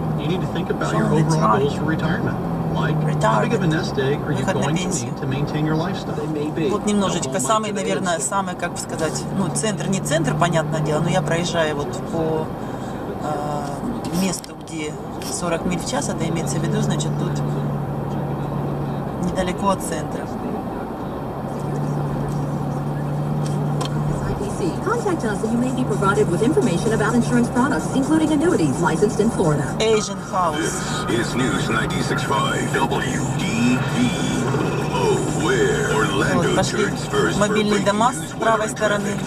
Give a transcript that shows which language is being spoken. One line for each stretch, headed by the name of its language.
English: You need to think about your overall goals for retirement.
Russian: Вот немножечко, самый, наверное, самый, как бы сказать, ну, центр, не центр, понятное дело, но я проезжаю вот по месту, где 40 миль в час, это имеется в виду, значит, тут недалеко от центра.
English: Contact us and you may be provided with information about insurance products, including annuities, licensed in Florida. Asian House. This is News 96.5 WDVO, where Orlando transfers for breaking news weather traffic